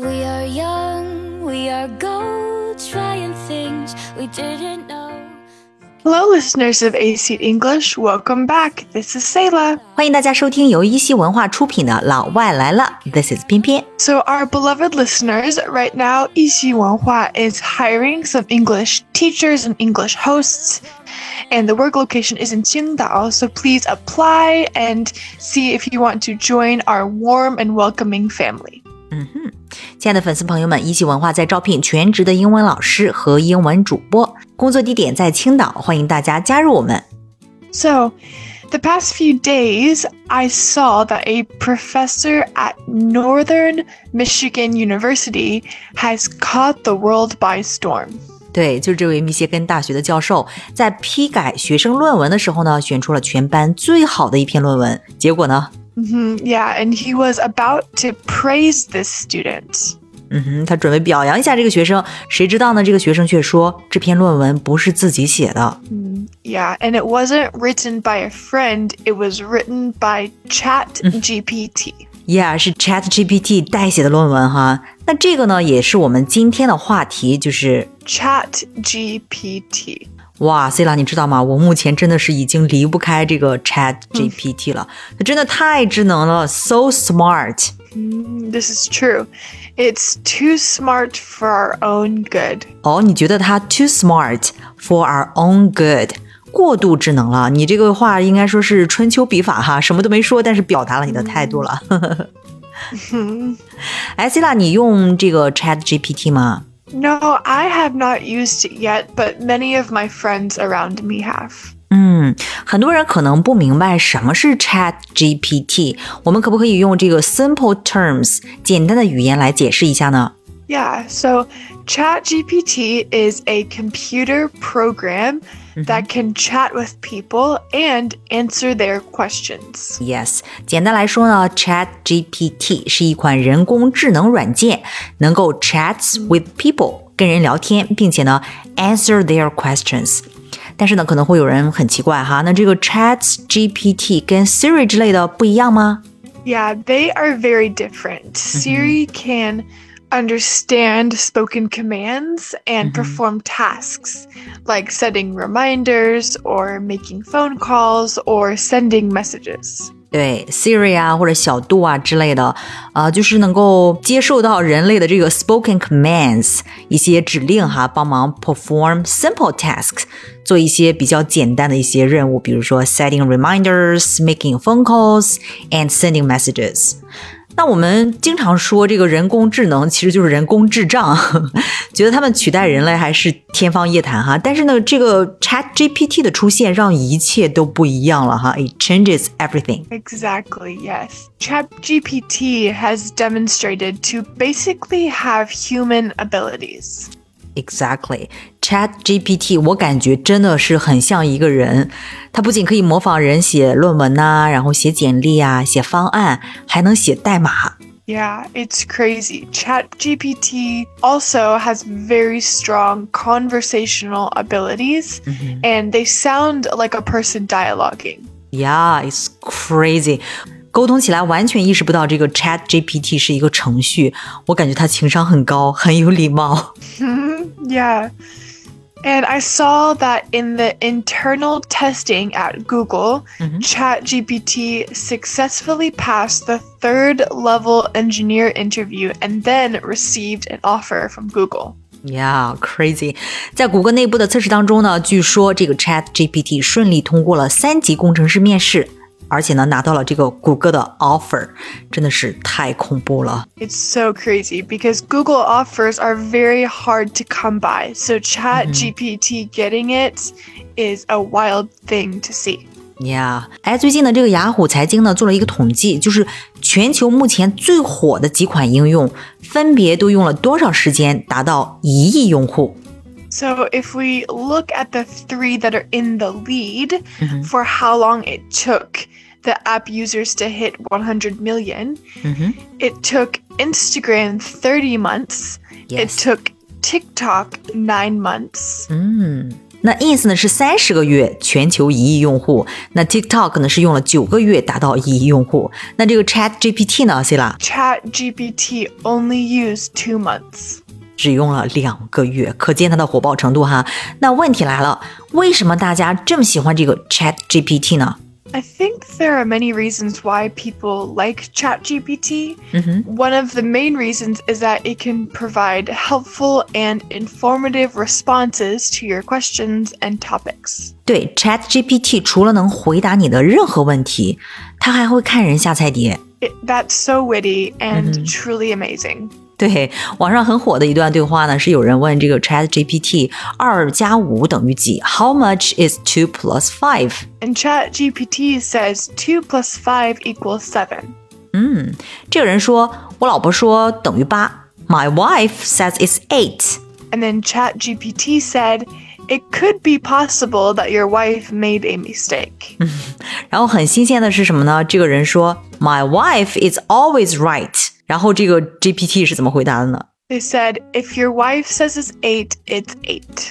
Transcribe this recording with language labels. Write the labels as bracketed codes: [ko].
[en] We are gold trying things we didn't know. Hello, listeners of A-Seat English. Welcome back. This is Sayla. [zh] 欢迎大家收听由一席文化出品的《老外来了》。 [en] This is 翩翩。 So our beloved listeners, right now, 一席文化 is hiring some English teachers and English hosts, and the work location is in Qingdao, so please apply and see if you want to join our warm and welcoming family. [zh] 嗯哼，亲爱的粉丝朋友们，一席文化在招聘全职的英文老师和英文主播。工作地点在青岛，欢迎大家加入我们。 [en] So, the past few days, I saw that a professor at Northern Michigan University has caught the world by storm. [zh] 对，就这位密歇根大学的教授，在批改学生论文的时候呢，选出了全班最好的一篇论文。结果呢？ [en] Yeah, and he was about to praise this student. [zh] 嗯哼，他准备表扬一下这个学生，谁知道呢？这个学生却说这篇论文不是自己写的。 [en] Yeah, and it wasn't written by a friend. It was written by ChatGPT. [zh] Yeah, 是 ChatGPT 代写的论文哈。那这个呢，也是我们今天的话题，就是 ChatGPT。哇 ，Sila， 你知道吗？我目前真的是已经离不开这个 ChatGPT 了，它真的太智能了 ， [en] so smart。 This is true. It's too smart for our own good. [zh] 哦，你觉得它 [en] too smart for our own good， [zh] 过度智能了？你这个话应该说是春秋笔法哈，什么都没说，但是表达了你的态度了。哎 ，Sila， 你用这个 ChatGPT 吗？ [en] No, I have not used it yet, but many of my friends around me have. [zh] 嗯，很多人可能不明白什么是 ChatGPT, 我们可不可以用这个 [en] simple terms, [zh] 简单的语言来解释一下呢？ [en] Yeah, so ChatGPT is a computer program that can chat with people and answer their questions. [zh] Yes, 简单来说呢 ,ChatGPT 是一款人工智能软件，能够 [en] chat with people, [zh] 跟人聊天，并且呢 [en] answer their questions. [zh] 但是呢可能会有人很奇怪哈，那这个 ChatGPT 跟 Siri 之类的不一样吗？ [en] Yeah, they are very different. Siri can... understand spoken commands and perform tasks like setting reminders or making phone calls or sending messages. [zh] 对 Siri 啊或者小度啊之类的、就是能够接受到人类的这个 [en] spoken commands, [zh] 一些指令哈，帮忙 [en] perform simple tasks, [zh] 做一些比较简单的一些任务，比如说 [en] setting reminders, making phone calls, and sending messages. [zh] 那我们经常说这个人工智能其实就是人工智障，觉得他们取代人类还是天方夜谭哈。但是呢，这个 ChatGPT 的出现让一切都不一样了哈。 [en] It changes everything. Exactly, yes. ChatGPT has demonstrated to basically have human abilities. Exactly. [zh] ChatGPT 我感觉真的是很像一个人。它不仅可以模仿人写论文啊，然后写简历啊，写方案，还能写代码。 [en] Yeah, it's crazy. ChatGPT also has very strong conversational abilities, and they sound like a person dialoguing. Yeah, it's crazy. [zh] 沟通起来完全意识不到这个 ChatGPT 是一个程序，我感觉它情商很高，很有礼貌。 [en] Yeah. And I saw that in the internal testing at Google, ChatGPT successfully passed the third level engineer interview and then received an offer from Google. Yeah, crazy. [zh] 在谷歌内部的测试当中呢，据说这个 ChatGPT 顺利通过了三级工程师面试，而且呢拿到了这个谷歌的 offer, 真的是太恐怖了。 [en] It's so crazy because Google offers are very hard to come by, so ChatGPT getting it is a wild thing to see. [zh] Yeah, 哎，最近的这个雅虎财经呢做了一个统计，就是全球目前最火的几款应用分别都用了多少时间达到一亿用户。 [en] So if we look at the three that are in the lead, for how long it took the app users to hit 100 million, it took Instagram 30 months, it took TikTok 9 months. [zh] 那 Ins 呢是30个月全球1亿用户，那 TikTok 呢是用了9个月达到1亿用户，那这个 ChatGPT 呢 Sila? [en] ChatGPT only used 2 months. [zh] 只用了两个月，可见它的火爆程度哈。那问题来了，为什么大家这么喜欢这个 ChatGPT 呢？ [en] I think there are many reasons why people like ChatGPT.、 Mm-hmm. One of the main reasons is that it can provide helpful and informative responses to your questions and topics. [zh] 对 ,ChatGPT 除了能回答你的任何问题,它还会看人下菜碟。 [en] That's so witty and、mm-hmm. truly amazing. [zh] 对，网上很火的一段对话呢，是有人问这个 ChatGPT 二加五等于几 ？ [en] How much is 2 plus 5？ And ChatGPT says 2 plus 5 equals 7。 [zh] 嗯，这个人说，我老婆说等于八。 [en] My wife says it's 8。 And then ChatGPT said it could be possible that your wife made a mistake。 [zh] 嗯，然后很新鲜的是什么呢？这个人说 ， [en] My wife is always right。 [zh] 然后这个 GPT 是怎么回答的呢 [en] ？They said, "If your wife says it's 8, it's 8."